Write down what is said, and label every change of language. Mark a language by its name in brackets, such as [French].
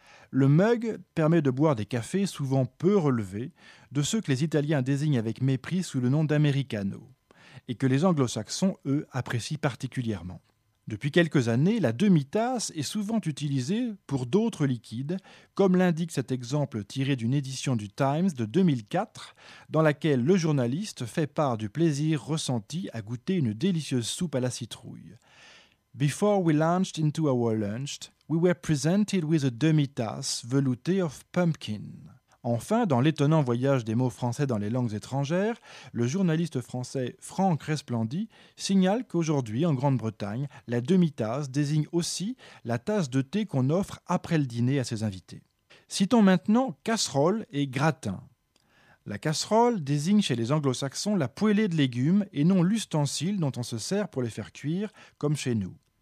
[French] Le mug permet de boire des cafés souvent peu relevés, de ceux que les Italiens désignent avec mépris sous le nom d'Americano, et que les Anglo-Saxons, eux, apprécient particulièrement. Depuis quelques années, la demi-tasse est souvent utilisée pour d'autres liquides, comme l'indique cet exemple tiré d'une édition du Times de 2004, dans laquelle le journaliste fait part du plaisir ressenti à goûter une délicieuse soupe à la citrouille. [English] Before we launched into our lunch, we were presented with a demi-tasse veloutée of pumpkin. [French] Enfin, dans l'étonnant voyage des mots français dans les langues étrangères, le journaliste français Franck Resplandy signale qu'aujourd'hui, en Grande-Bretagne, la demi-tasse désigne aussi la tasse de thé qu'on offre après le dîner à ses invités. Citons maintenant casserole et gratin. La casserole désigne chez les anglo-saxons la poêlée de légumes et non l'ustensile dont on se sert pour les faire cuire, comme chez nous.